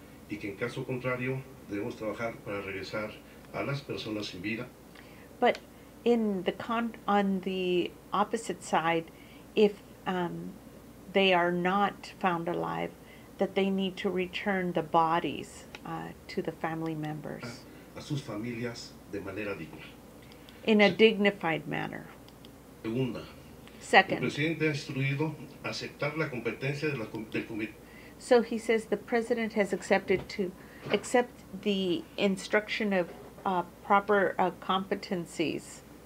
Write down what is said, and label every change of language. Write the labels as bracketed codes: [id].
[es] Y que en caso contrario debemos trabajar para regresar a las personas sin vida. [en] But in the on the opposite side, if they are not found alive, that they need to return the bodies to the family members [es] a sus familias de manera digna. [en] In a dignified manner. [es] Segunda. [en] Second. [es] El presidente ha instruido aceptar la competencia de del comité. [en] So he says the president has accepted to accept the instruction of proper competencies